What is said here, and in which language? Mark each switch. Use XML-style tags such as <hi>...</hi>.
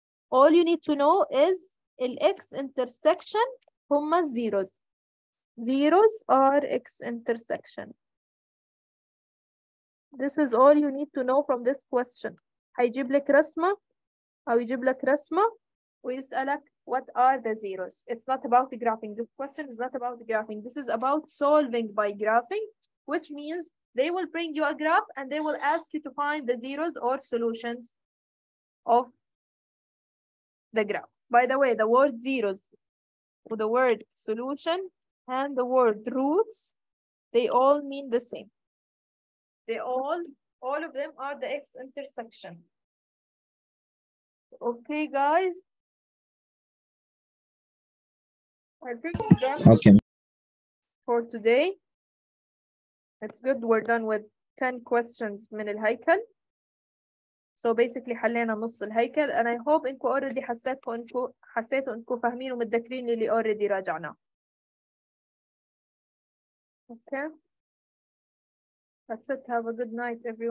<en>all you need to know is ال X intersection هما zeros zeros are X intersection This is all you need to know from this question.</en> <ar>هيجيب لك رسمة أو يجيب لك رسمة ويسألك</ar> <en>what are the zeros. It's not about the graphing. This question is not about the graphing. This is about solving by graphing, which means they will bring you a graph and they will ask you to find the zeros or solutions of the graph. By the way, the word zeros, the word solution and the word roots, they all mean the same. They all of them are the x-intersection. Okay, guys. I think we're done for today. That's good. We're done with 10 questions</en> <ar>من الهيكل.</ar> <en>So basically</en> <ar>حلينا نص الهيكل.</ar> <en>And I hope</en> <ar>انكو already حسيتوا انكو فاهمين ومتذكرين اللي already راجعنا.</ar> <en>Okay. That's it. Have a good night, everyone.</en>